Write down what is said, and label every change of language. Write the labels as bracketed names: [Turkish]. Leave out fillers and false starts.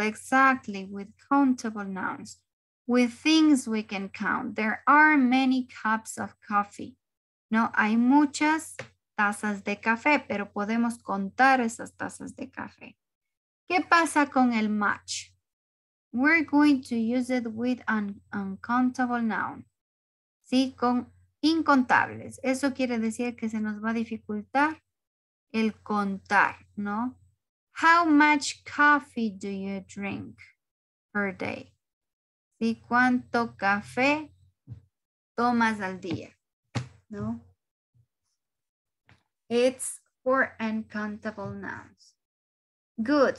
[English] exactly, with countable nouns, with things we can count. There are many cups of coffee. [Spanish] No, hay muchas tazas de café, pero podemos contar esas tazas de café. ¿Qué pasa con el much? [English] We're going to use it with an uncountable noun. [Spanish] Sí, con incontables. Eso quiere decir que se nos va a dificultar el contar, ¿no? [English] How much coffee do you drink per day? [Spanish] ¿Sí? ¿Cuánto café tomas al día? ¿No? [English] It's for uncountable nouns. Good.